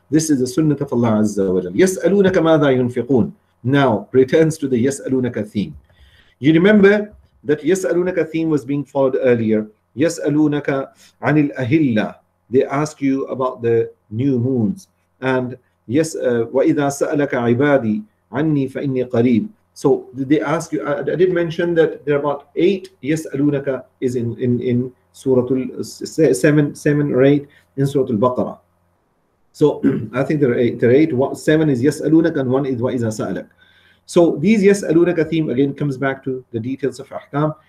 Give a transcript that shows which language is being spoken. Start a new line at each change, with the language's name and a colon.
English: This is the sunnah of Allah Azza wa Jal.
Arabic: Yas'alunaka madha yunfiqoon.
English: Now, returns to the Yas'alunaka theme. You remember that Yas'alunaka theme was being followed earlier.
Arabic: Yas'alunaka anil ahillah.
English: They ask you about the new moons. And yes,
Arabic: وَإِذَا سَأَلَكَ عِبَادِي عَنِّي فَإِنِّي قَرِيبٌ.
English: So they ask you, I did mention that there are about eight Yas'alunaka is in Suratul 7 or 8 in Suratul Baqarah. So I think there are eight. Seven is Yas'alunaka and one is
Arabic: وَإِذَا سَأَلَكَ.
English: So these Yas'alunaka theme again comes back to the details of Ahkam.